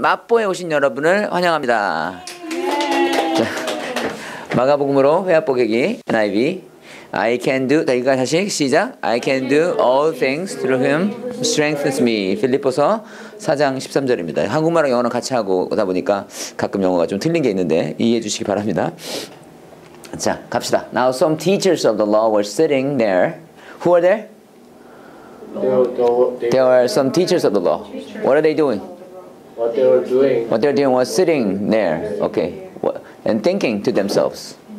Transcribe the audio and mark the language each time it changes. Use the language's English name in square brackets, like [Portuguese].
[Korean] 맛보에 오신 여러분을 환영합니다. [English] Yeah. [Korean] 자, 마가복음으로 회합복이기 NIV. [English] I can do. [Korean] 자, 이거 다시 시작. [English] I can do all things through Him who strengthens me. [Korean] 필립보서 4장 13절입니다. 한국말랑 영어랑 같이 하고 오다 보니까 가끔 영어가 좀 틀린 게 있는데 이해해 주시기 바랍니다. 자, 갑시다. [English] Now some teachers of the law were sitting there. Who are there? There are some teachers of the law. What are they doing? What they're doing was sitting there, okay, and thinking to themselves.